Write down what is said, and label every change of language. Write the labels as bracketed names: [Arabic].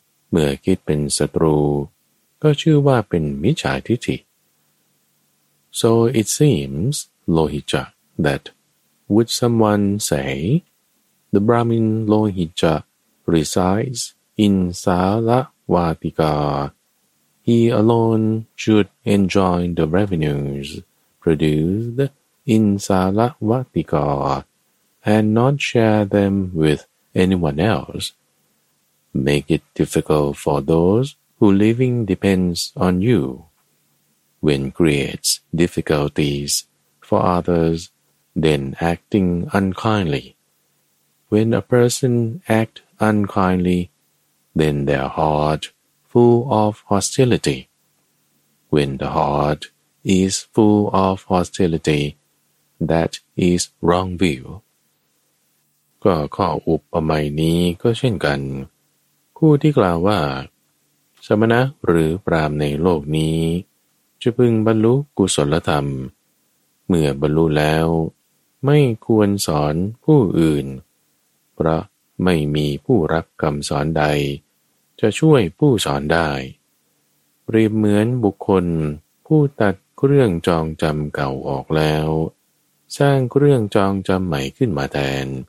[Thai] เมื่อคิดเป็นศัตรูก็ชื่อว่าเป็นมิจฉาทิฏฐิ [English] So it seems, Lohicca, that would someone say, the Brahmin Lohicca resides in Salavatika, he alone should enjoy the revenues produced in Salavatika and not share them with anyone else. Make it difficult for those who living depends on you. When creates difficulties for others, then acting unkindly. When a person act unkindly, then their heart full of hostility. When the heart is full of hostility, that is wrong view. [Thai] ก็ข้ออุปมานี้ก็เช่นกันผู้ที่กล่าวว่าสมณะหรือพราหมณ์ในโลกนี้จะพึงบรรลุกุศลธรรมเมื่อบรรลุแล้วไม่ควรสอนผู้อื่นเพราะไม่มีผู้รับคำสอนใดจะช่วยผู้สอนได้เปรียบเหมือนบุคคลผู้ตัดเครื่องจองจำเก่าออกแล้วสร้างเครื่องจองจำใหม่ขึ้นมาแทน